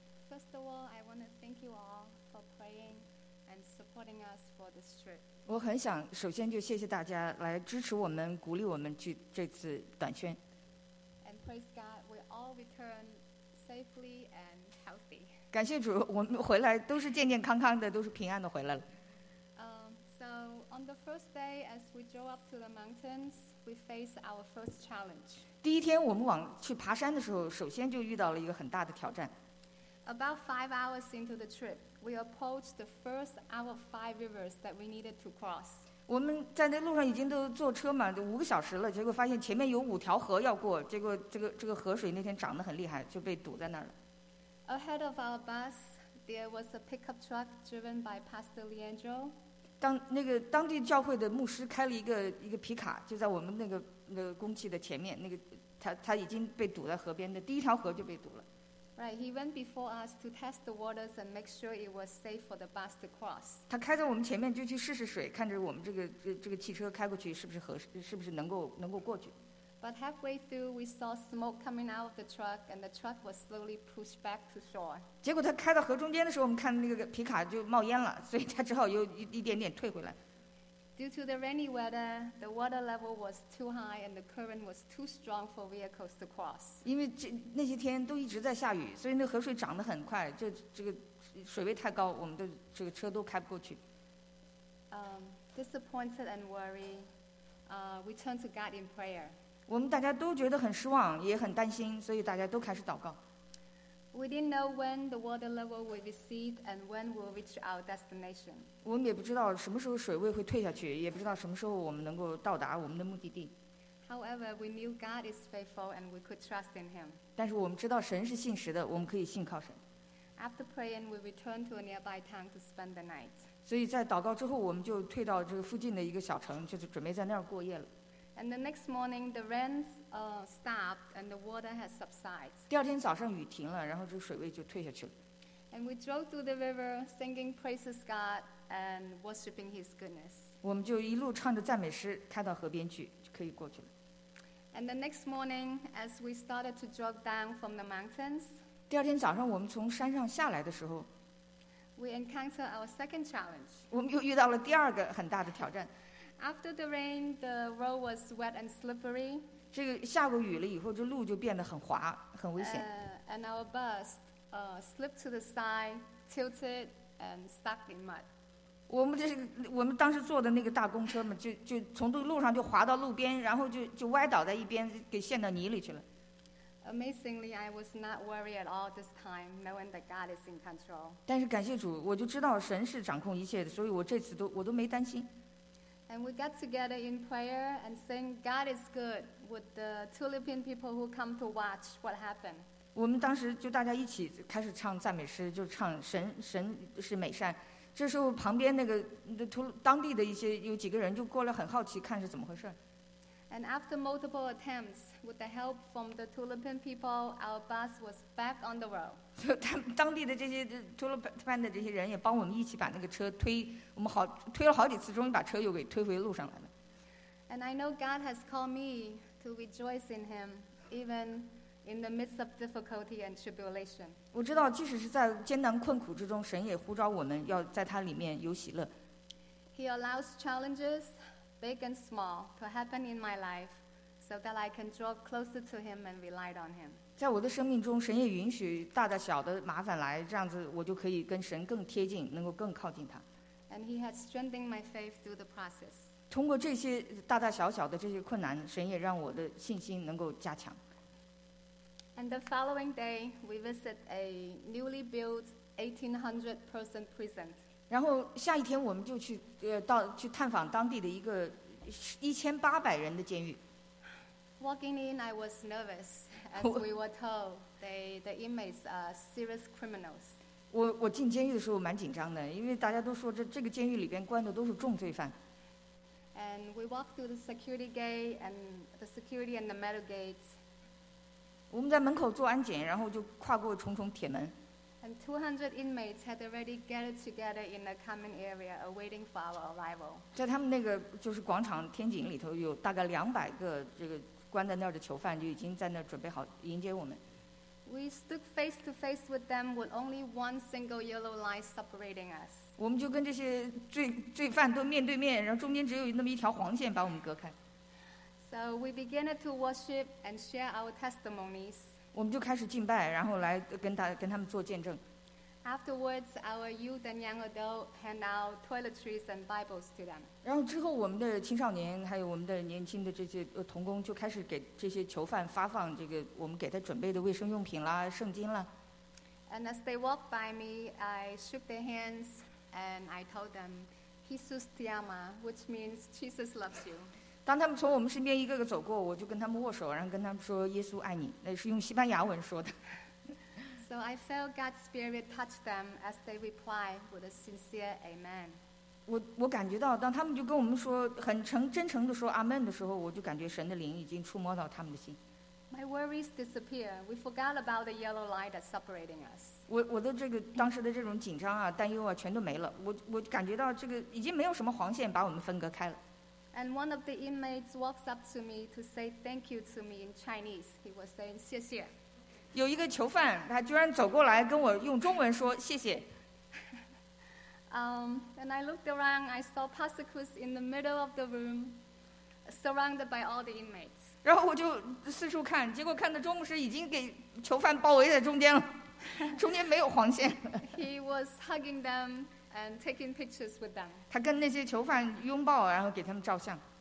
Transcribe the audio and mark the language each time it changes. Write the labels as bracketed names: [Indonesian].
[English] First of all, I want to thank you all for praying and supporting us for this trip. [Chinese] 我很想首先就谢谢大家来支持我们，鼓励我们去这次短宣。 [English] And praise God, we all return safely and healthy. [Chinese] 感谢主，我们回来都是健健康康的，都是平安的回来了。 [English] So on the first day, as we drove up to the mountains, we faced our first challenge. [Chinese] 第一天我们往去爬山的时候，首先就遇到了一个很大的挑战。 [English] About 5 hours into the trip, we approached the first out of 5 rivers that we needed to cross. [Chinese] 我们在那路上已经都坐车嘛，五个小时了，结果发现前面有5条河要过，结果这个河水那天涨得很厉害，就被堵在那儿了。 [English] Ahead of our bus, there was a pickup truck driven by Pastor Leandro. [Chinese] 当地教会的牧师开了一个皮卡，就在我们那个工期的前面，他已经被堵在河边的第一条河就被堵了。 [English] Right, he went before us to test the waters and make sure it was safe for the bus to cross. [Chinese] 他开在我们前面就去试试水，看着我们这个汽车开过去是不是合适，是不是能够过去。 [English] But halfway through, we saw smoke coming out of the truck, and the truck was slowly pushed back to shore. [Chinese] 结果他开到河中间的时候，我们看那个皮卡就冒烟了，所以他只好又一点点退回来。 [English] Due to the rainy weather, the water level was too high and the current was too strong for vehicles to cross. [Chinese] 因为那些天都一直在下雨，所以那河水涨得很快，这个水位太高，我们的这个车都开不过去。 [English] Disappointed and worried, turn to God in prayer. [Chinese] 我们大家都觉得很失望，也很担心，所以大家都开始祷告。 [English] We didn't know when the water level would recede and when we'll reach our destination. [Chinese] 我们也不知道什么时候水位会退下去，也不知道什么时候我们能够到达我们的目的地。 [English] However, we knew God is faithful and we could trust in Him. [Chinese] 但是我们知道神是信实的，我们可以信靠神。 [English] After praying, we returned to a nearby town to spend the night. [Chinese] 所以在祷告之后，我们就退到这个附近的一个小城，就是准备在那儿过夜了。 [English] And the next morning, the rains stopped and the water has subsided. [Chinese] 第二天早上雨停了，然后这个水位就退下去了。 [English] And we drove through the river, singing praises God and worshiping His goodness. [Chinese] 我们就一路唱着赞美诗，开到河边去，就可以过去了。 [English] And the next morning, as we started to drop down from the mountains, [Chinese] 第二天早上我们从山上下来的时候， [English] we encountered our second challenge. [Chinese] 我们又遇到了第二个很大的挑战。 [English] After the rain, the road was wet and slippery. [Chinese] 这个下过雨了以后，这路就变得很滑，很危险。 [English] And our bus slipped to the side, tilted, and stuck in mud. [Chinese] 我们当时坐的那个大公车嘛，就从这个路上就滑到路边，然后就歪倒在一边，给陷到泥里去了。 [English] Amazingly, I was not worried at all this time, knowing that God is in control. [Chinese] 但是感谢主，我就知道神是掌控一切的，所以我这次我都没担心。 [English] And we got together in prayer and saying God is good with the Tulipin people who come to watch what happened. [Chinese] 我们当时就大家一起开始唱赞美诗，就唱神是美善。这时候旁边当地的一些有几个人就过来很好奇看是怎么回事。 [English] And after multiple attempts with the help from the Tulipin people, our bus was back on the road. [Chinese] 当地的这些 Tulipin 的这些人也帮我们一起把那个车推，我们好推了好几次，终于把车又给推回路上来了。 [English] And I know God has called me to rejoice in Him, even in the midst of difficulty and tribulation. [Chinese] 我知道，即使是在艰难困苦之中，神也呼召我们要在祂里面有喜乐。 [English] He allows challenges, big and small, to happen in my life, so that I can draw closer to Him and rely on Him. [Chinese] 在我的生命中，神也允许大大小的麻烦来，这样子我就可以跟神更贴近，能够更靠近祂。 [English] And He has strengthened my faith through the process. [Chinese] 通过这些大大小小的这些困难，神也让我的信心能够加强。 [English] And the following day, we visit a newly built 1,800-person prison. [Chinese] 然后下一天我们就去探访当地的一个1,800人的监狱。 [English] Walking in, I was nervous, as we were told the inmates are serious criminals. [Chinese] 我进监狱的时候蛮紧张的，因为大家都说这个监狱里边关的都是重罪犯。 [English] And we walked through the security gate and the security and the metal gates. [Chinese] 我们在门口做安检，然后就跨过重重铁门。 [English] And 200 inmates had already gathered together in a common area awaiting for our arrival. [Chinese] 在他们那个就是广场天井里头，有大概200个这个关在那儿的囚犯就已经在那儿准备好迎接我们。 [English] We stood face to face with them with only one single yellow line separating us. [Chinese] 我们就跟这些罪犯都面对面，然后中间只有那么一条黄线把我们隔开。 [English] So we began to worship and share our testimonies. [Chinese] 我们就开始敬拜，然后来跟他们做见证。 [English] Afterwards, our youth and young adults hand out toiletries and Bibles to them. [Chinese] 然后之后，我们的青少年还有我们的年轻的这些童工就开始给这些囚犯发放这个我们给他准备的卫生用品啦、圣经啦。 [English] And as they walked by me, I shook their hands and I told them, [Spanish] "Jesus te ama," [English] which means Jesus loves you. [Chinese] 当他们从我们身边一个个走过，我就跟他们握手，然后跟他们说耶稣爱你，那是用西班牙文说的。 [English] So I felt God's spirit touch them as they reply with a sincere amen. [Chinese] 我感觉到当他们就跟我们说很真诚的说阿门的时候，我就感觉神的灵已经触摸到他们的心。 [English] My worries disappear. We forgot about the yellow line that's separating us. [Chinese] 我的这个当时的这种紧张啊、担忧啊，全都没了。我感觉到这个已经没有什么黄线把我们分隔开了。 [English] And one of the inmates walks up to me to say thank you to me in Chinese. He was saying [Chinese] 谢谢。有一个囚犯，他居然走过来跟我用中文说谢谢。 [English] And I looked around, I saw Pastor Cruz in the middle of the room, surrounded by all the inmates. [Chinese] 然后我就四处看，结果看到中牧师已经给囚犯包围在中间了，中间没有黄线。 [English] He was hugging them and taking pictures with them. [Chinese] 他跟那些囚犯拥抱，然后给他们照相。